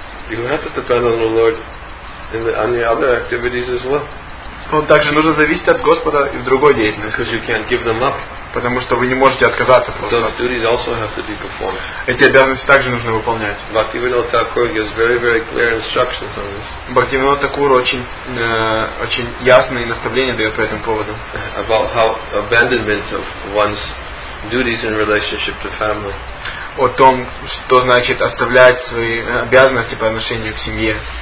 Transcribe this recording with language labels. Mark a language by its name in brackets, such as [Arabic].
[English] You have to depend on the Lord in the, on the other activities as well. [Russian] Он также нужно зависеть от Господа и в другой деятельности. [English] Because you can't give them up. [Russian] Потому что вы не можете отказаться просто. [English] Those duties also have to be performed. [Russian] Эти обязанности также нужно выполнять. [English] Bhaktivinoda Thakur gives very, very clear instructions on this. [Russian] Bhaktivinoda Thakur очень ясные наставления дает по этому поводу. [English] About how abandonment of one's duties in relationship to family. [Russian] О том, что значит оставлять свои обязанности по отношению к семье.